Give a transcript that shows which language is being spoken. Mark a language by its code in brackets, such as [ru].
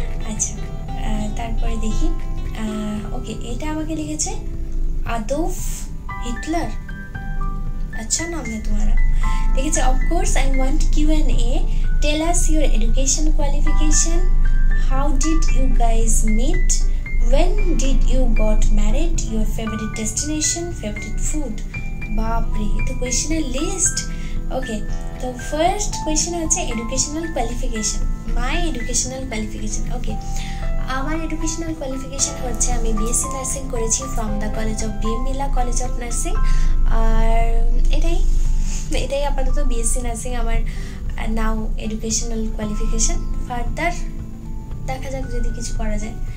[bn] আচ্ছা, তারপরে দেখি, ওকে এটা আমাকে লিখেছে আদৌফ হিটলার, আচ্ছা নাম না তোমারা, লিখেছে of course [en] I want Q and A, tell us your education qualification, how did you guys meet, When did you got married? Your favorite destination, favorite food? Bapri, the question is list. Okay, the first question is educational qualification. My educational qualification. Okay. [bn] আমার educational qualification হচ্ছে আমি BSc nursing করেছি from the college of বিএমবিলা college of nursing, আর এটাই আপাতত BSc nursing আমার নাও educational qualification, further দেখা যাক যদি কিছু করা যায়।